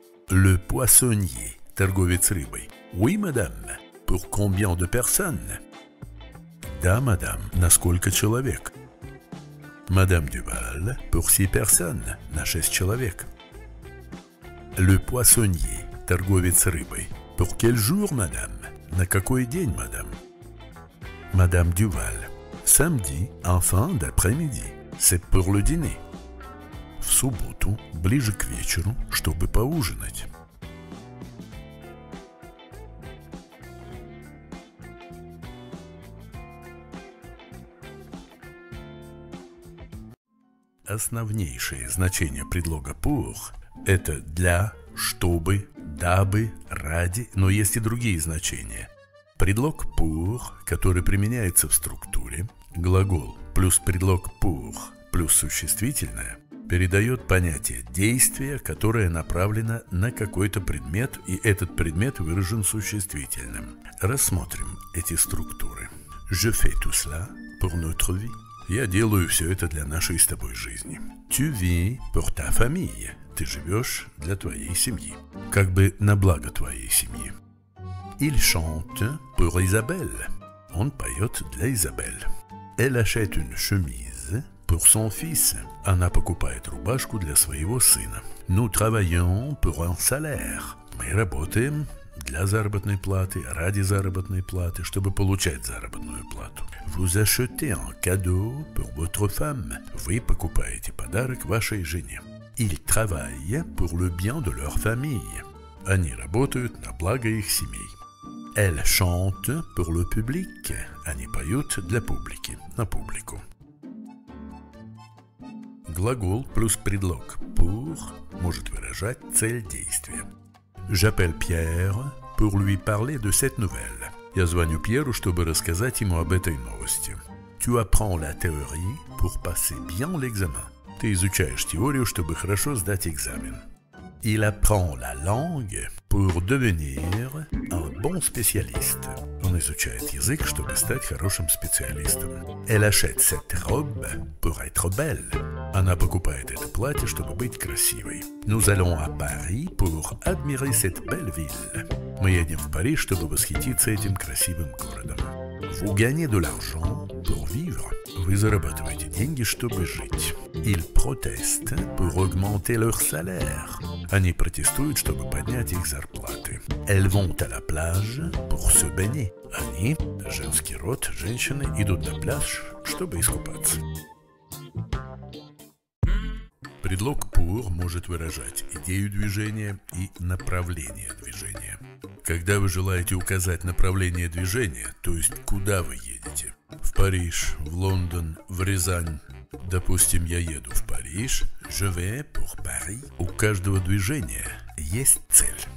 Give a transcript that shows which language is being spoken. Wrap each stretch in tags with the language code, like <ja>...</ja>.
<fr>Le poissonnier,</fr> <ru>торговец рыбой.</ru> <fr>Oui, madame. Pour combien de personnes?</fr> <ru>Да, madame. На сколько человек?</ru> <fr>Madame Duval, pour 6 personnes.</fr> <ru>На 6 человек.</ru> <fr>Le poissonnier, торговец рыбой. Pour quel jour, madame?</fr> <ru>На какой день, madame?</ru> <fr>Madame Duval, samedi, en fin d'après-midi. C'est pour le dîner.</fr> <ru>В субботу, ближе к вечеру, чтобы поужинать. Основнейшее значение предлога «pour» – это «для», «чтобы», «дабы», «ради», но есть и другие значения. Предлог «pour», который применяется в структуре, глагол плюс предлог «pour» плюс существительное, передает понятие «действие», которое направлено на какой-то предмет, и этот предмет выражен существительным. Рассмотрим эти структуры.</ru> <fr>«Je fais tout cela pour notre vie».</fr> <ru>Я делаю все это для нашей с тобой жизни.</ru> <fr>Tu vis pour ta famille.</fr> <ru>Ты живешь для твоей семьи. Как бы на благо твоей семьи.</ru> <fr>Il chante pour Isabelle. en paillote de Isabelle. Elle achète une chemise pour son fils.</fr> <ru>Она покупает рубашку для своего сына.</ru> <fr>Nous travaillons pour un salaire.</fr> <ru>Мы работаем для заработной платы, ради заработной платы, чтобы получать заработную плату.</ru> <fr>Vous achetez un cadeau pour votre femme.</fr> <ru>Вы покупаете подарок вашей жене.</ru> <fr>Ils travaillent pour le bien de leur famille.</fr> <ru>Они работают на благо их семей.</ru> <fr>Elle chante pour le public.</fr> <ru>Они поют для публики, на публику. Глагол плюс предлог pour может выражать цель действия.</ru> <fr>J'appelle Pierre pour lui parler de cette nouvelle.</fr> <ru>Я звоню Пьеру, чтобы рассказать ему об этой новости.</ru> <fr>Tu apprends la théorie pour passer bien l'examen.</fr> <ru>Ты изучаешь теорию, чтобы хорошо сдать экзамен.</ru> <fr>Il apprend la langue pour devenir un bon spécialiste.</fr> <ru>Он изучает язык, чтобы стать хорошим специалистом.</ru> <fr>Elle achète cette robe pour être belle.</fr> <ru>Она покупает это платье, чтобы быть красивой.</ru> <fr>Nous allons à Paris pour admirer cette belle ville.</fr> <ru>Мы едем в Париж, чтобы восхититься этим красивым городом.</ru> <fr>Vous gagnez de l'argent pour vivre.</fr> <ru>Вы зарабатываете деньги, чтобы жить.</ru> <fr>Ils protestent pour augmenter leur salaire.</fr> <ru>Они протестуют, чтобы поднять их зарплаты.</ru> <fr>Elles vont à la plage pour se baigner.</fr> <ru>Они, женский род, женщины, идут на пляж, чтобы искупаться. Предлог pour может выражать идею движения и направление движения. Когда вы желаете указать направление движения, то есть куда вы едете, в Париж, в Лондон, в Рязань, допустим, я еду в Париж,</ru> <fr>je vais pour Paris,</fr> <ru>у каждого движения есть цель.</ru>